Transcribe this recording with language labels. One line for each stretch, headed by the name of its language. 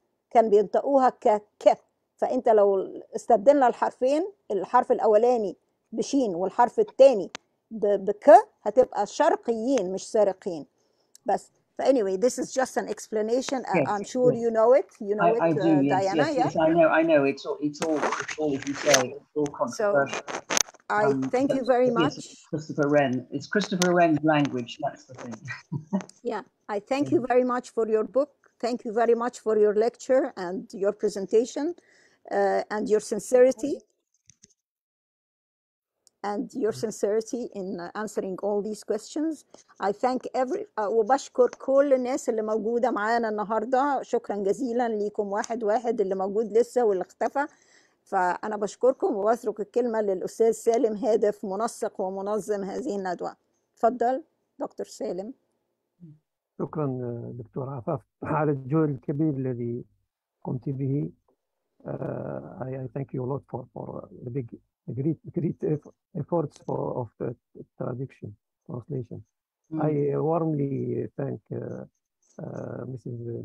Arabic: كان بينطقوها كك فأنت لو استبدلنا الحرفين الحرف الأولاني بشين والحرف الثاني بك هتبقى شرقيين مش سارقين بس
English: anyway this is just an explanation yes, I'm sure yes. you know it I do, yes, Diana yes, yes. Yeah? I know it's all as you say it's all controversial so, I thank you very much. Yes, Christopher Wren. It's Christopher Wren's language, that's the thing. Yeah, I thank you very much for your book. Thank you very much for your lecture and your presentation and your sincerity. And your sincerity in answering all these questions. I thank
Arabic: وبشكر كل الناس اللي موجودة معانا النهاردة. شكرا جزيلا لكم واحد واحد اللي موجود لسه واللي اختفى. فأنا بشكركم وأترك الكلمة للأستاذ سالم هادف منسق ومنظم هذه الندوة تفضل دكتور سالم شكرا دكتور عفاف على الجهد الكبير الذي قمت به
English: I thank you a lot for the big great efforts for of the translation I warmly thank Mrs.